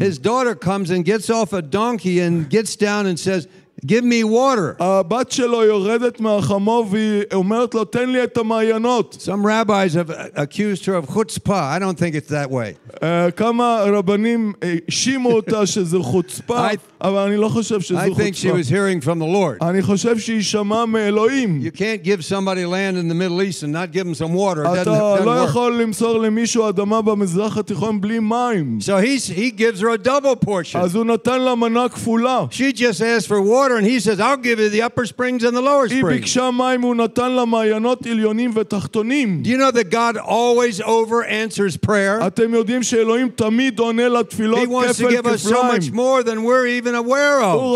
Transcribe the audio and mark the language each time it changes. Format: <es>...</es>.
<en>His daughter comes and gets off a donkey and gets down and says, "Give me water."</en> <he>הבת שלו יורדת מהחמו ואומרת לו, "תן לי את המעיינות."</he> <en>Some rabbis have accused her of chutzpah. I don't think it's that way.</en> <he>כמה רבנים שימו אותה שזו חוצפה, אבל אני לא חושב שזו חוצפה.</he> <en>I think she was hearing from the Lord.</en> <he>אני חושב שהיא שמעה מאלוהים.</he> <en>You can't give somebody land in the Middle East and not give them some water.</en> <he>אתה לא יכול למסור למישהו אדמה במזרח התיכון בלי מים.</he> <en>So he gives her a double portion.</en> <he>אז הוא נתן לה מנה כפולה.</he> <en>She just asked for water and he says, "I'll give you the upper springs and the lower springs."</en> <he>היא ביקשה מים, הוא נתן לה מעיינות עליונים ותחתונים.</he> <en>Do you know that God always over answers prayer?</en> <he>אתם יודעים שאלוהים תמיד עונה לתפילות כפל כפליים.</he> <en>He wants to give us so much more than we're even aware of.</en>